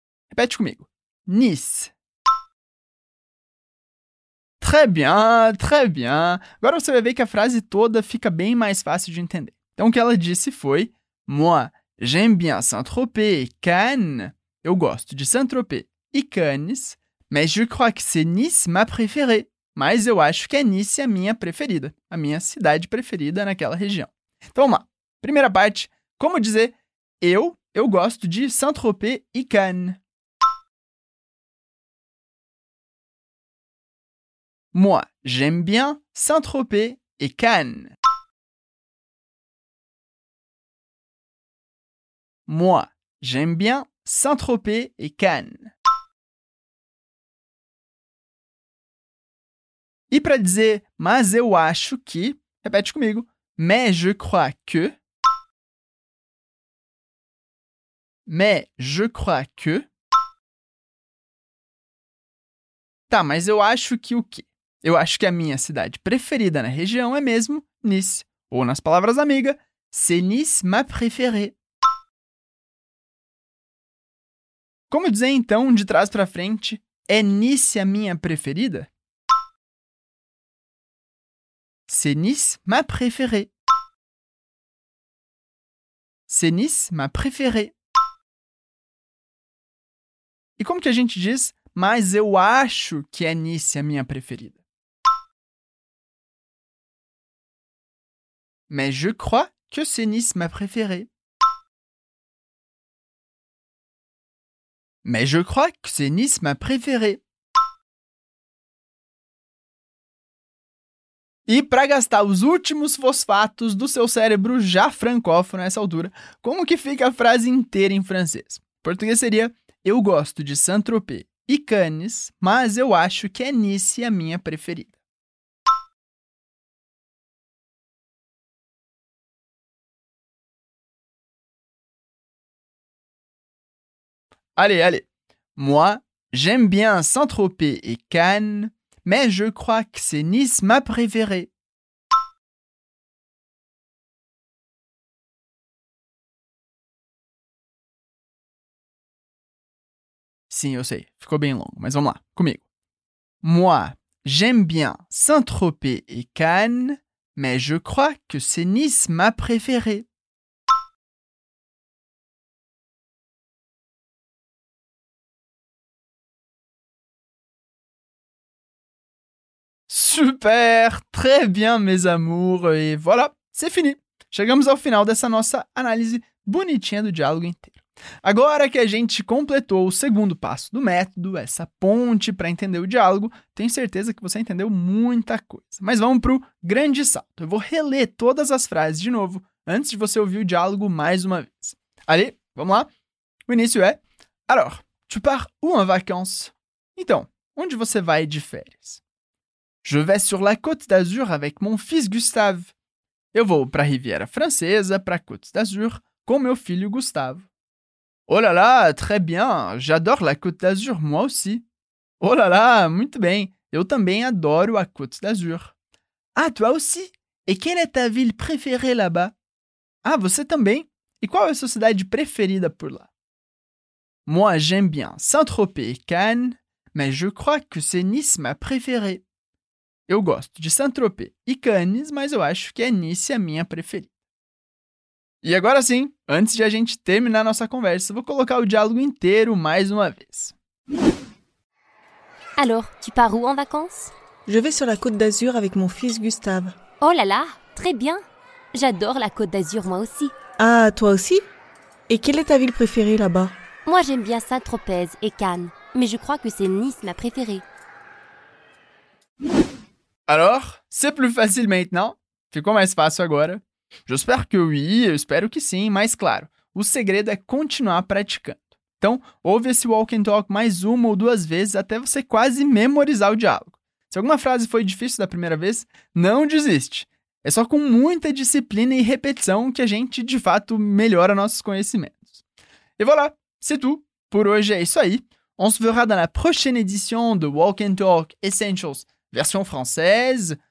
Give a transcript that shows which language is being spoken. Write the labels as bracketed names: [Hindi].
[Portuguese] Repete comigo. Nice. [French] Très bien, très bien. [Portuguese] Agora você vai ver que a frase toda fica bem mais fácil de entender. Então, o que ela disse foi: [French] Moi, j'aime bien Saint-Tropez et Cannes. [Portuguese] Eu gosto de Saint-Tropez e Cannes. [French] Mais je crois que c'est Nice ma préférée. [Portuguese] Mas eu acho que é Nice a minha preferida. A minha cidade preferida naquela região. Então, vamos lá. Primeira parte. Como dizer eu gosto de Saint-Tropez e Cannes. [French] Moi, j'aime bien Saint-Tropez et Cannes. Moi, j'aime bien Saint-Tropez et Cannes. [Portuguese] E para dizer, mas eu acho que, repete comigo, [French] mais je crois que. Mais je crois que. [Portuguese] Tá, mas eu acho que o quê? Eu acho que a minha cidade preferida na região é mesmo Nice. Ou, nas palavras amiga, [French] c'est Nice ma préférée. [Portuguese] Como dizer, então, de trás para frente, é Nice a minha preferida? [French] C'est Nice ma préférée. C'est Nice ma préférée. [Portuguese] E como que a gente diz, mas eu acho que é Nice a minha preferida? [French] Mais je crois que c'est Nice ma préférée. Mais je crois que c'est Nice ma préférée. [Portuguese] E para gastar os últimos fosfatos do seu cérebro já francófono nessa altura, como que fica a frase inteira em francês? Em português seria: Eu gosto de Saint-Tropez e Cannes, mas eu acho que é Nice a minha preferida. [French] Allez, allez. Moi, j'aime bien Saint-Tropez et Cannes, mais je crois que c'est Nice ma préférée. [Portuguese] Sim, eu sei, ficou bem longo, mas vamos lá, comigo. [French] Moi, j'aime bien Saint-Tropez et Cannes, mais je crois que c'est Nice ma préférée. Super! Très bien, mes amours! E voilà, c'est fini! [Portuguese] Chegamos ao final dessa nossa análise bonitinha do diálogo inteiro. Agora que a gente completou o segundo passo do método, essa ponte para entender o diálogo, tenho certeza que você entendeu muita coisa. Mas vamos para o grande salto. Eu vou reler todas as frases de novo antes de você ouvir o diálogo mais uma vez. [French] Allez, vamos lá? [Portuguese] O início é: [French] Alors, tu pars où en vacances? [Portuguese] Então, onde você vai de férias? [French] Je vais sur la Côte d'Azur avec mon fils Gustave. [Portuguese] Eu vou para a Riviera Francesa, para a Côte d'Azur, com meu filho Gustavo. [French] Oh là là, très bien, j'adore la Côte d'Azur, moi aussi. [Portuguese] Oh là là, muito bem, eu também adoro a Côte d'Azur. [French] Ah, toi aussi? Et quelle est ta ville préférée là-bas? [Portuguese] Ah, você também? E qual é a sua cidade preferida por lá? [French] Moi, j'aime bien Saint-Tropez et Cannes, mais je crois que c'est Nice ma préférée. [Portuguese] Eu gosto de Saint-Tropez e Cannes, mas eu acho que é Nice a minha preferida. E agora sim, antes de a gente terminar nossa conversa, vou colocar o diálogo inteiro mais uma vez. [French] Alors, tu pars où en vacances? Je vais sur la Côte d'Azur avec mon fils Gustave. Oh là là, très bien. J'adore la Côte d'Azur moi aussi. Ah, toi aussi? Et quelle est ta ville préférée là-bas? Moi, j'aime bien Saint-Tropez et Cannes, mais je crois que c'est Nice ma préférée. Alors, c'est plus facile maintenant? [Portuguese] Ficou mais fácil agora? [French] J'espère que oui, [Portuguese] espero que sim, mas claro, o segredo é continuar praticando. Então, ouve esse walk and talk mais uma ou duas vezes até você quase memorizar o diálogo. Se alguma frase foi difícil da primeira vez, não desiste. É só com muita disciplina e repetição que a gente, de fato, melhora nossos conhecimentos. E voilà, [French] c'est tout. [Portuguese] Por hoje é isso aí. [French] On se verra dans la prochaine édition de Walk and Talk Essentials version française.